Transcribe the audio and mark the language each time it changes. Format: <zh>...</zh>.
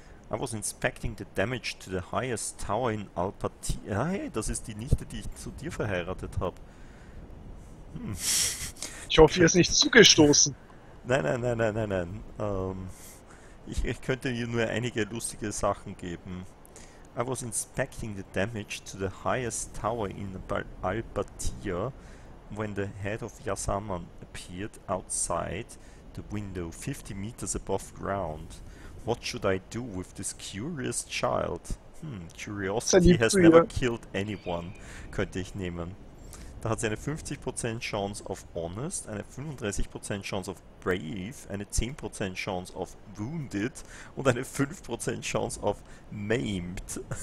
<en>I was inspecting the damage to the highest tower in Alpati.</en> <de>Ah, hey, das ist die Nichte, die ich zu dir verheiratet habe. Ich hoffe, ihr ist nicht zugestoßen. Nein, nein, nein, nein, nein, nein. Ich könnte hier nur einige lustige Sachen geben.</de> <en>I was inspecting the damage to the highest tower in Alpatia when the head of Yasaman appeared outside, the window 50 meters above ground. What should I do with this curious child? Curiosity has never killed anyone,</en> <de>könnte ich nehmen. Da hat sie eine 50% Chance auf Honest, eine 35% Chance auf Brave, eine 10% Chance auf Wounded und eine 5% Chance auf Maimed.</de>